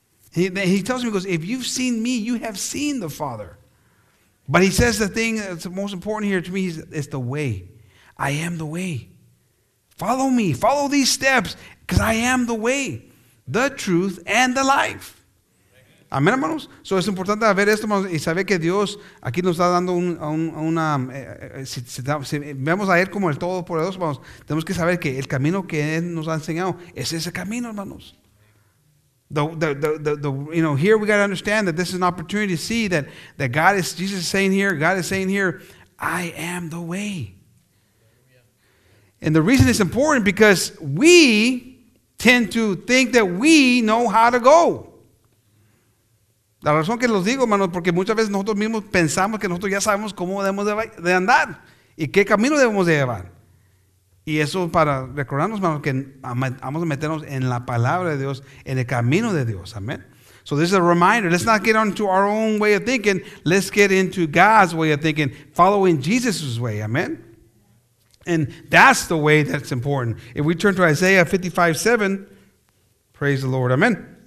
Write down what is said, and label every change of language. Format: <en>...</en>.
<en>He tells me, he goes, if you've seen me, you have seen the Father. But he says the thing that's most important here to me is it's the way. I am the way. Follow me. Follow these steps, because I am the way, the truth, and the life.</en> <es>Amén, hermanos. So, es importante ver esto, hermanos, y saber que Dios aquí nos está dando una si vemos a Él como el Todopoderoso, hermanos, tenemos que saber que el camino que Él nos ha enseñado es ese camino, hermanos.</es> <en>You know, here we got to understand that this is an opportunity to see that God is, Jesus is saying here, God is saying here, I am the way. And the reason it's important because we tend to think that we know how to go.</en> <es>La razón que los digo, hermanos, porque muchas veces nosotros mismos pensamos que nosotros ya sabemos cómo debemos de andar y qué camino debemos de llevar. Y eso para recordarnos, hermanos, que vamos a meternos en la palabra de Dios, en el camino de Dios.</es> <en>Amén. So this is a reminder. Let's not get onto our own way of thinking. Let's get into God's way of thinking, following Jesus' way. Amén. And that's the way that's important. If we turn to Isaiah 55:7, praise the Lord. Amén.</en>